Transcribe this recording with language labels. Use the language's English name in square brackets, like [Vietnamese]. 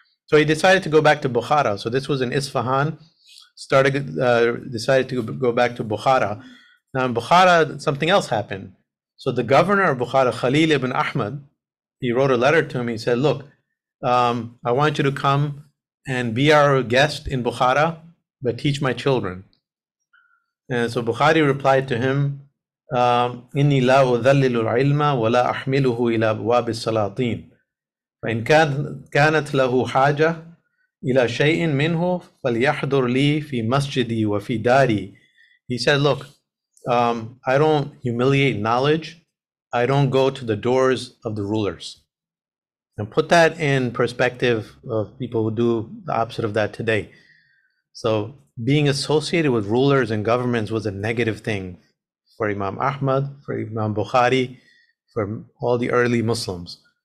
[English] So he decided to go back to Bukhara. So this was in Isfahan. Decided to go back to Bukhara. Now in Bukhara, something else happened. So the governor of Bukhara, Khalil ibn Ahmad, he wrote a letter to him. He said, look, I want you to come and be our guest in Bukhara, but teach my children. And so Bukhari replied to him, [Arabic] إِنِّي لَا أُذَلِّلُ الْعِلْمَ وَلَا أَحْمِلُهُ إِلَى أَبْوَابِ السَّلَاطِينَ فَإِنْ كَانَتْ لَهُ حَاجَةٌ إِلَى شَيْءٍ مِّنْهُ فَلْيَحْضُرْ لِي فِي مَسْجِدِي وَفِي دَارِي. [English] He said, look, I don't humiliate knowledge. I don't go to the doors of the rulers. And put that in perspective of people who do the opposite of that today. So being associated with rulers and governments was a negative thing for Imam Ahmad, for Imam Bukhari, for all the early Muslims.